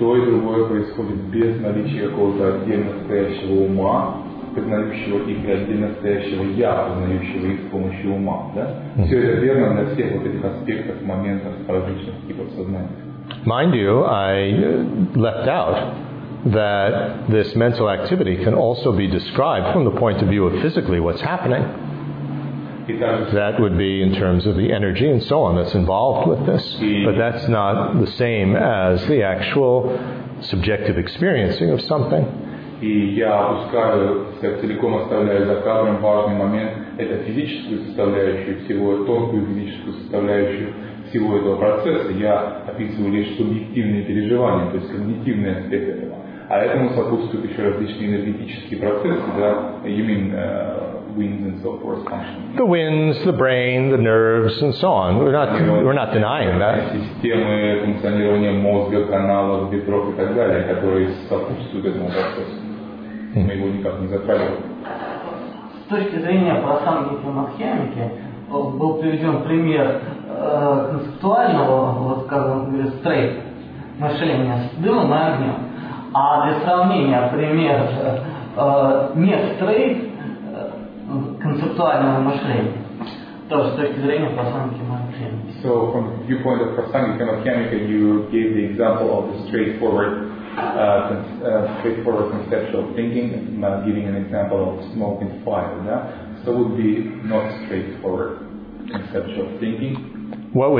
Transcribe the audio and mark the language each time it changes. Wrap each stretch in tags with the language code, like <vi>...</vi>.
<en>Mind you, I left out that this mental activity can also be described from the point of view of physically what's happening. That would be in terms of the energy and so on that's involved with this. But that's not the same as the actual subjective experiencing of something.</en> <ru>И я опускаю, так, целиком оставляю за кадром важный момент, это физическую составляющую всего, тонкую физическую составляющую всего этого процесса. Я описываю лишь субъективные переживания, то есть когнитивный аспект этого. А этому сопутствуют еще различные энергетические процессы, да,</ru> <en>the winds, the brain, the nerves, and so on. We're not denying that.</en> <ru>Системы функционирования мозга, каналов, бедров и так далее, которые сопутствуют этому процессу. Мы его никак не затрагиваем. С точки зрения прасангхи мадхьямики был приведен пример концептуального, вот скажем, стрейт мышления с дымом и огнем. А для сравнения пример не стрейт концептуального мышления, тоже с точки зрения прасангхи мадхьямики.</ru> <en>So from the viewpoint of prasangika madhyamika, you gave the example of the straightforward conceptual thinking, giving an example of smoke and fire.</en> <ru>Да?</ru> <en>So would be not straightforward conceptual thinking.</en>